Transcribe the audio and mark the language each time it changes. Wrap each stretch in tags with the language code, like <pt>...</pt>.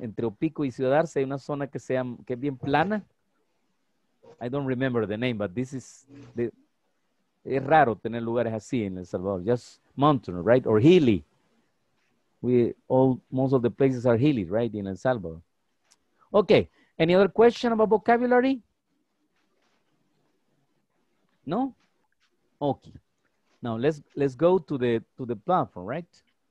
<es>Entre Opico y Ciudad Arce, hay una zona que sea que bien plana.</es> <en>I don't remember the name, but this is the.</en> <es>Es raro tener lugares así en El Salvador.</es> <en>Just mountain, right? Or hilly. Most of the places are hilly, right? In El Salvador. Okay. Any other question about vocabulary? No? Okay. Now let's go to the platform, right?</en>